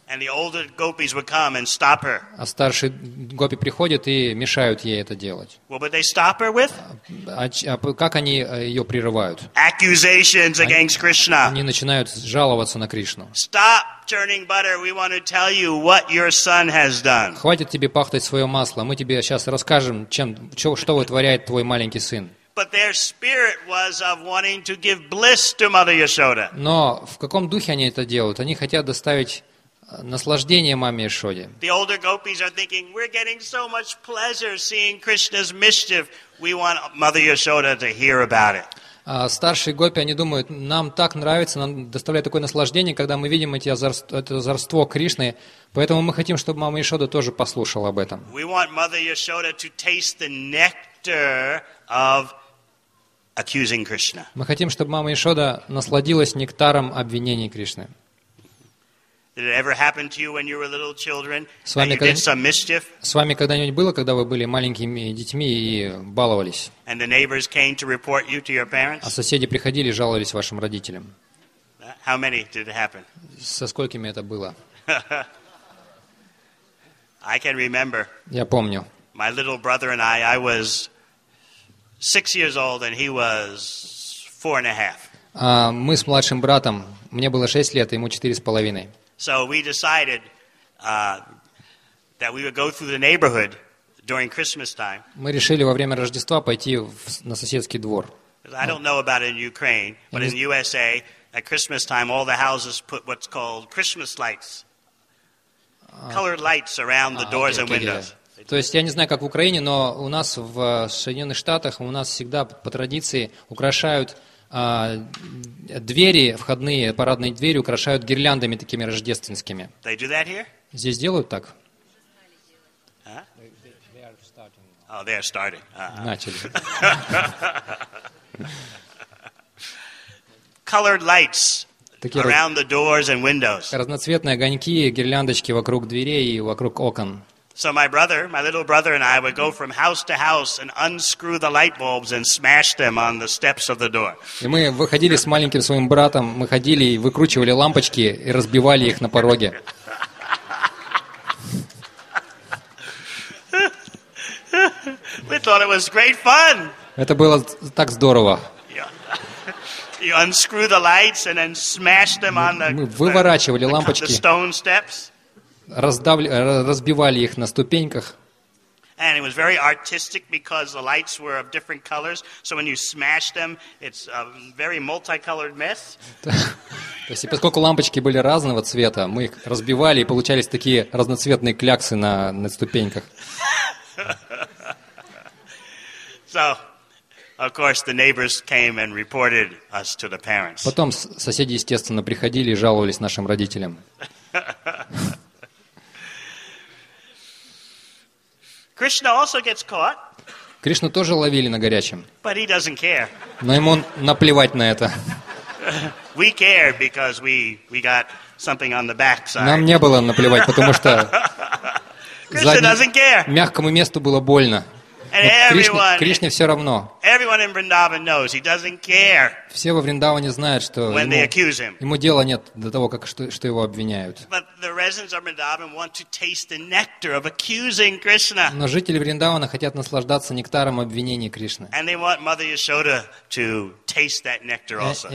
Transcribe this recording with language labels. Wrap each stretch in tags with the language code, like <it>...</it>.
<en>And the older gopis would come and stop her.</en> <ru>А старшие гопи приходят и мешают ей это делать.</ru> <en>What would they stop her with?</en> <ru>Как они ее прерывают?</ru> <en>Accusations against Krishna.</en> <ru>Они начинают жаловаться на Кришну.</ru> <en>Stop churning butter. We want to tell you what your son has done.</en> <ru>Хватит тебе пахтать свое масло. Мы тебе сейчас расскажем, что вытворяет твой маленький сын.</ru> <en>But their spirit was of wanting to give bliss to Mother Yashoda.</en> <ru>Но в каком духе они это делают? Они хотят доставить наслаждение маме Яшоде.</ru> <en>The older gopis are thinking, we're getting so much pleasure seeing Krishna's mischief. We want Mother Yashoda to hear about it.</en> <ru>Старшие гопи, они думают, нам так нравится, нам доставляет такое наслаждение, когда мы видим это озорство Кришны, поэтому мы хотим, чтобы мама Яшода тоже послушала об этом.</ru> <en>We want Mother Yashoda to taste the nectar of accusing Krishna.</en> <ru>Мы хотим, чтобы мама Яшода насладилась нектаром обвинений Кришны.</ru> <en>Did it ever happen to you when you were little children and you did some mischief?</en> <ru>С вами когда-нибудь было, когда вы были маленькими детьми и баловались?</ru> <en>And the neighbors came to report you to your parents?</en> <ru>А соседи приходили и жаловались вашим родителям?</ru> <en>That, How many did it happen?</en> <ru>Со сколькими это было?</ru> <en>I can remember.</en> <ru>Я помню.</ru> <en>My little brother and I was 6 years old and he was 4.5.</en> <ru>Мы с младшим братом, мне было 6 лет, ему 4.5.</ru> <en>So we decided that we would go through the neighborhood during Christmas time.</en> <ru>Мы решили во время Рождества пойти на соседский двор.</ru> <en>I don't know about in Ukraine, but in the USA at Christmas time all the houses put what's called Christmas lights. Colored lights around the doors and windows.</en> <ru>То есть я не знаю, как в Украине, но у нас в Соединенных Штатах у нас всегда по традиции украшают двери входные, парадные двери украшают гирляндами такими рождественскими.</ru> <en>They do that here?</en> <ru>Здесь делают так?</ru> <en>Oh, they're starting.</en> <ru>Начали.</ru> <en>Colored lights around the doors and windows.</en> <ru>Разноцветные огоньки, гирляндочки вокруг дверей и вокруг окон.</ru> <en>So my little brother and I would go from house to house and unscrew the light bulbs and smash them on the steps of the door.</en> <ru>И мы выходили с маленьким своим братом, мы ходили и выкручивали лампочки и разбивали их на пороге.</ru> <en>We thought it was great fun.</en> <ru>Это было так здорово.</ru> <en>You unscrew the lights and then smash them on the.</en> <ru>Мы выворачивали лампочки.</ru> <en>The stone steps.</en> <ru>Разбивали их на ступеньках.</ru> <en>And it was very artistic because the lights were of different colors. So when you smash them, it's a very multicolored mess.</en> <ru>То есть, поскольку лампочки были разного цвета, мы их разбивали и получались такие разноцветные кляксы на ступеньках.</ru> <en>So, of course, the neighbors came and reported us to the parents.</en> <ru>Потом соседи, естественно, приходили и жаловались нашим родителям.</ru> <en>Krishna also gets caught.</en> <ru>Кришну тоже ловили на горячем.</ru> <en>But he doesn't care.</en> <ru>Но ему наплевать на это.</ru> <en>We care because we got something on the back side.</en> <ru>Нам не было наплевать, потому что</ru> <en>Krishna doesn't care.</en> <ru>Мягкому месту было больно.</ru> <en>And everyone,</en> <ru>Кришне все равно.</ru> <en>Everyone in Vrindavan knows he doesn't care.</en> <ru>Все во Вриндаване знают, что</ru> <en>when they accuse him.</en> <ru>Ему дела нет до того, как что его обвиняют.</ru> <en>But the residents of Vrindavan want to taste the nectar of accusing Krishna.</en> <ru>Но жители Вриндавана хотят наслаждаться нектаром обвинений Кришны.</ru> <en>And they want Mother Yashoda to taste that nectar also.</en>